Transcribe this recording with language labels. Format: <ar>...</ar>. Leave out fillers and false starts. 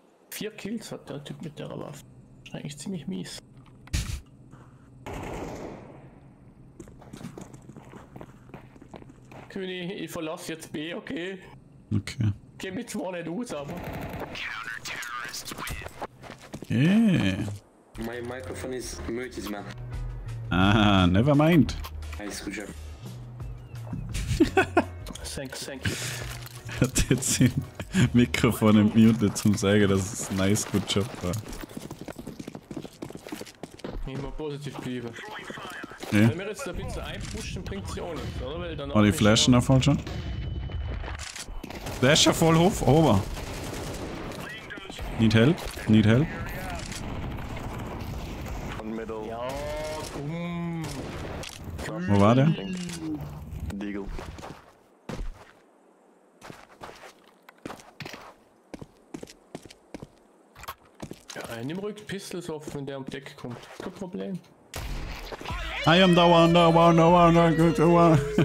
<de>Vier Kills hat der Typ mit der Waffe. Eigentlich ziemlich mies. König, ich verlasse jetzt B, okay? Okay. Geh mir zwar nicht aus, aber.</de> <en>Yeah. My microphone is muted, man. Ah, never mind. Nice, good job. thank you.</en> <de>Er hat jetzt den Mikrofon muted, zum sagen, dass es</de> <en>nice, good job</en> <de>war. Immer positiv bleiben.</de> <en>Yeah.</en> <de>Wenn wir jetzt da ein bisschen einpushen, bringt sie auch nichts, oder? Weil dann oh, die Flaschen da voll schon. Der ist ja voll hoch, over.</de> <en>Need help, need help.</en> <de>Ja, komm. Wo war der? Deagle. Ja, Nimm ruhig Pistols auf, wenn der um die Ecke kommt. Kein Problem.</de> <en>I am the one, the one, the one, the good one.</en>